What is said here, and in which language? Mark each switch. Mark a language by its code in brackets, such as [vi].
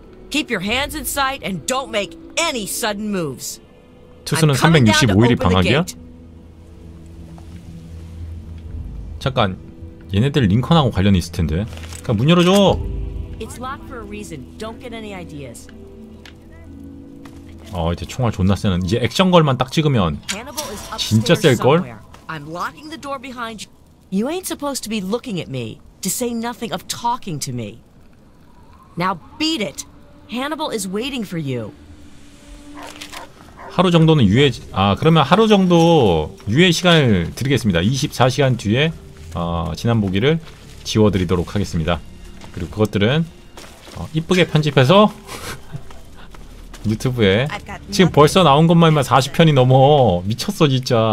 [en] Keep your hands in sight and don't make any sudden moves. [ko] 투수는 365일이 방학이야? 잠깐, 얘네들 링컨하고 관련이 있을 텐데. 그냥 문 열어줘. [en] It's locked for a reason. Don't get any ideas. [ko] 어, 이제 총알 존나 세는. 이제 액션 걸만 딱 찍으면 진짜 셀 걸. [en] I'm locking the door behind you. You ain't supposed to be looking at me. To say nothing of talking to me. Now beat it. Hannibal is waiting for you. [ko] 하루 정도는 유예. 아, 그러면 하루 정도 유예 시간을 드리겠습니다. 24시간 뒤에 지난 보기를 지워드리도록 하겠습니다. 그리고 그것들은 이쁘게 편집해서 유튜브에 지금 벌써 나온 것만 40편이 넘어. 미쳤어 진짜.